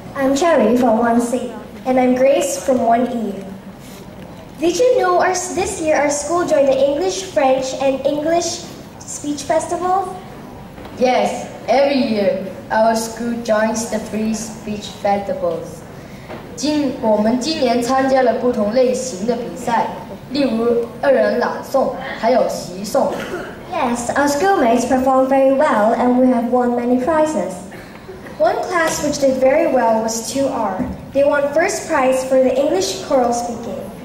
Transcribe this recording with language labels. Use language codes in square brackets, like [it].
[en] I'm Cherry from 1C. And I'm Grace from 1E. Did you know this year our school joined the English, French, and English Speech Festival? Yes, every year our school joins the three speech festivals. [zh] 我们今年参加了不同类型的比赛, 例如二人朗诵还有习诵。 [en] Yes, our schoolmates performed very well and we have won many prizes. One class which did very well was 2R. They won first prize for the English choral speaking.